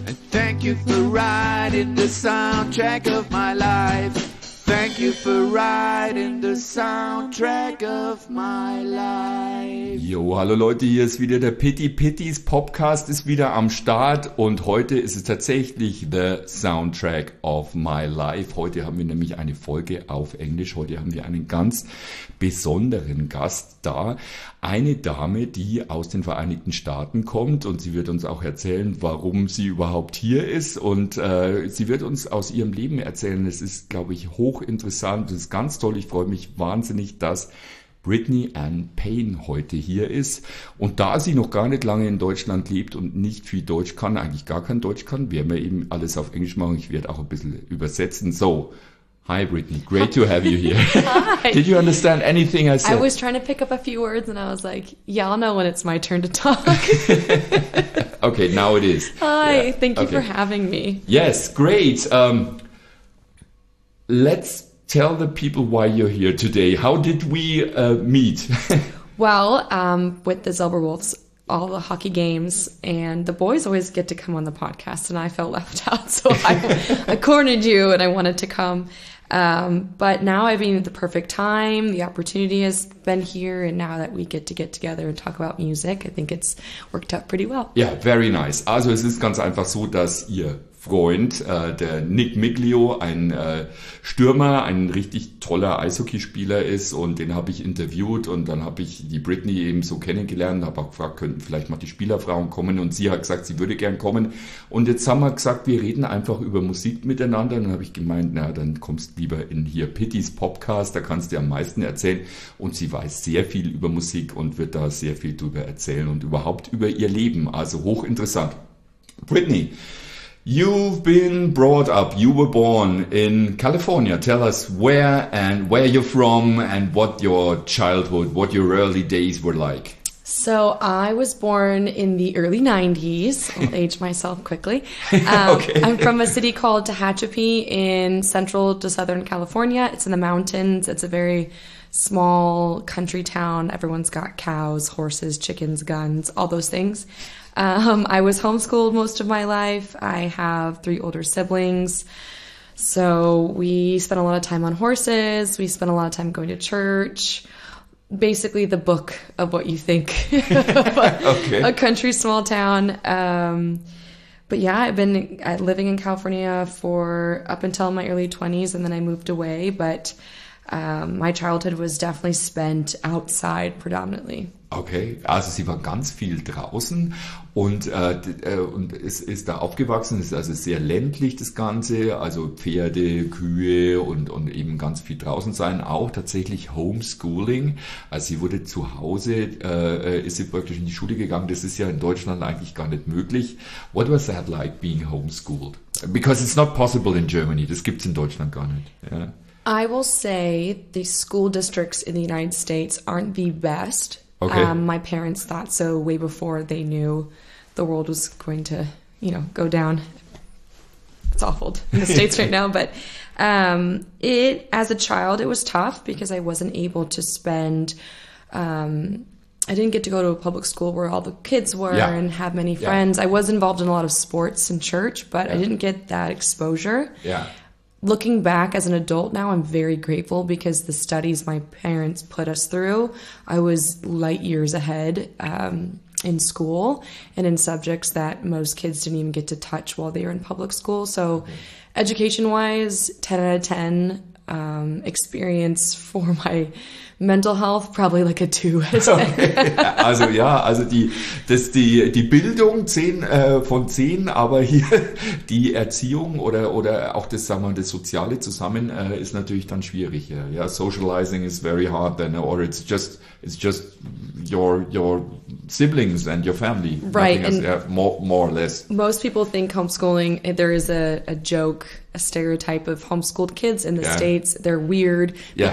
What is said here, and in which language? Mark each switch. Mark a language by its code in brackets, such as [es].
[en] Thank you for writing the soundtrack of my life. Thank you for writing the soundtrack of my life. [de] Jo, hallo Leute, hier ist wieder der Pitty Pitties Podcast, ist wieder am Start und heute ist es tatsächlich [en] the soundtrack of my life. [de] Heute haben wir nämlich eine Folge auf Englisch, heute haben wir einen ganz besonderen Gast da. Eine Dame, die aus den Vereinigten Staaten kommt und sie wird uns auch erzählen, warum sie überhaupt hier ist und sie wird uns aus ihrem Leben erzählen. Es ist, glaube ich, hochinteressant, das ist ganz toll. Ich freue mich wahnsinnig, dass Brittany Ann Payne heute hier ist. Und da sie noch gar nicht lange in Deutschland lebt und nicht viel Deutsch kann, eigentlich gar kein Deutsch kann, werden wir eben alles auf Englisch machen. Ich werde auch ein bisschen übersetzen. [en] So, hi Brittany, great to have you here. Hi. Did you understand anything I said? I was trying to pick up a few words and I was like, yeah, I'll know when it's my turn to talk. Okay, now it is. Hi, yeah. Thank you okay. for having me. Yes, great. Let's tell the people why you're here today. How did we meet? Well, with the Zilberwolves, all the hockey games, and the boys always get to come on the podcast, and I felt left out, so I cornered you, and I wanted to come. But now I've been at the perfect time. The opportunity has been here, and now that we get together and talk about music, I think it's worked out pretty well. Yeah, very nice. [de] Also, es ist ganz einfach so, dass ihr Freund, der Nick Miglio, ein Stürmer, ein richtig toller Eishockeyspieler ist und den habe ich interviewt und dann habe ich die Brittany eben so kennengelernt, habe auch gefragt, könnten vielleicht mal die Spielerfrauen kommen und sie hat gesagt, sie würde gern kommen und jetzt haben wir gesagt, wir reden einfach über Musik miteinander und dann habe ich gemeint, na dann kommst lieber in hier Pitties Podcast, da kannst du am meisten erzählen und sie weiß sehr viel über Musik und wird da sehr viel drüber erzählen und überhaupt über ihr Leben, also hochinteressant. [en] Brittany, you've been brought up, you were born in California. Tell us where and where you're from and what your childhood, what your early days were like. So I was born in the early 90s. I'll age myself quickly. Okay. I'm from a city called Tehachapi in central to southern California. It's in the mountains. It's a very small country town. Everyone's got cows, horses, chickens, guns, all those things. I was homeschooled most of my life. I have three older siblings. So we spent a lot of time on horses. We spent a lot of time going to church. Basically the book of what you think okay. a country small town. But yeah, I've been living in California for up until my early 20s and then I moved away. But my childhood was definitely spent outside predominantly. [de] Okay, also sie war ganz viel draußen und ist da aufgewachsen, ist also sehr ländlich das Ganze, also Pferde, Kühe und eben ganz viel draußen sein, auch tatsächlich Homeschooling, also sie wurde zu Hause, ist sie praktisch in die Schule gegangen, das ist ja in Deutschland eigentlich gar nicht möglich. [en] What was that like, being homeschooled? Because it's not possible in Germany, [de] das gibt's in Deutschland gar nicht. [en] Yeah. I will say the school districts in the United States aren't the best. Okay. My parents thought so way before they knew the world was going to, you know, go down. It's awful in the States right now, but it as a child, it was tough because I wasn't able to spend, I didn't get to go to a public school where all the kids were yeah. and have many friends. Yeah. I was involved in a lot of sports and church, but yeah. I didn't get that exposure. Yeah. Looking back as an adult now, I'm very grateful because the studies my parents put us through, I was light years ahead in school and in subjects that most kids didn't even get to touch while they were in public school. So education-wise, 10 out of 10 experience for my mental health, probably like a 2 out of 10. Okay. [de] Also ja, also die Bildung 10 von 10, aber hier die Erziehung oder auch das, sagen wir mal, das Soziale zusammen ist natürlich dann schwierig. Ja. [en] Ja, socializing is very hard then, or it's just your siblings and your family. Right. Nothing else, more or less. Most people think homeschooling, there is a joke, a stereotype of homeschooled kids in the yeah. States. They're weird yeah.